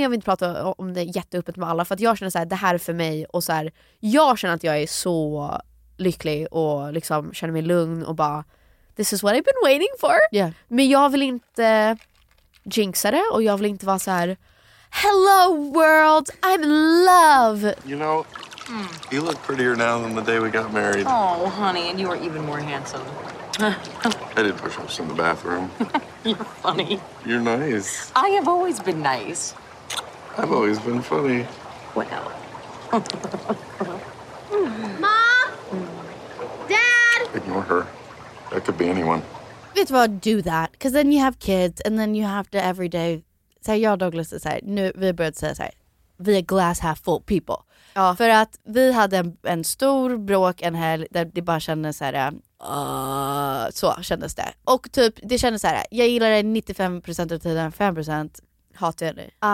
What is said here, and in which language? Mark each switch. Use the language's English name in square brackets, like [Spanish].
[Swedish] Jag vill inte prata om det jätteöppet med alla. För att jag känner så här, det här är för mig. Och så här, jag känner att jag är så lycklig och liksom känner mig lugn och bara, [English] this is what I've been waiting for. Yeah. [Swedish] Men jag vill inte jinxa det och jag vill inte vara så här. [English] Hello world, I'm in love. You know, you look prettier now than the day we got married. Oh, honey, and you are even more handsome. I did push-ups in the bathroom. You're funny. You're nice. I have always been nice. I've always been funny. Well. Mom? Dad? Ignore her. That could be anyone. [Swedish] Vet du vad, [English] do that. Because then you have kids and then you have to every day... [Swedish] Så jag och Douglas är såhär, nu vi har börjat säga såhär, vi är [English] glass half full people. [Swedish] Ja. För att vi hade en stor bråk en helg där det bara kändes såhär, så kändes det. Och typ, det kändes såhär, jag gillar dig 95% av tiden, 5% hatar jag dig.